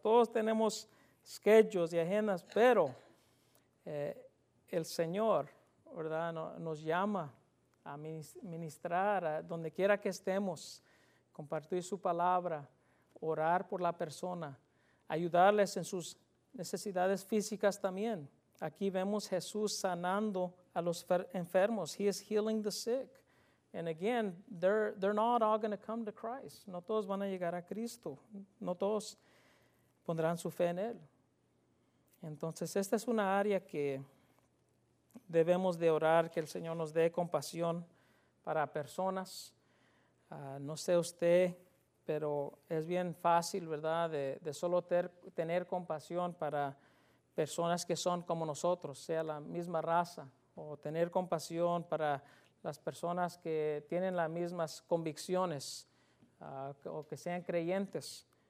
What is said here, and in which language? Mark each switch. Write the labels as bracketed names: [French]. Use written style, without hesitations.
[Spanish] Todos tenemos schedules y agendas. Pero el Señor, ¿verdad?, nos llama a ministrar donde quiera que estemos, compartir su palabra, orar por la persona, ayudarles en sus necesidades físicas también. Aquí vemos Jesús sanando a los enfermos. [English] He is healing the sick. And again, they're not all going to come to Christ. [Spanish] No todos van a llegar a Cristo. No todos pondrán su fe en Él. Entonces, esta es una área que debemos de orar, que el Señor nos dé compasión para personas. No sé usted, pero es bien fácil, ¿verdad?, de solo tener compasión para personas que son como nosotros, sea la misma raza, o tener compasión para las personas que tienen las mismas convicciones, o que sean creyentes.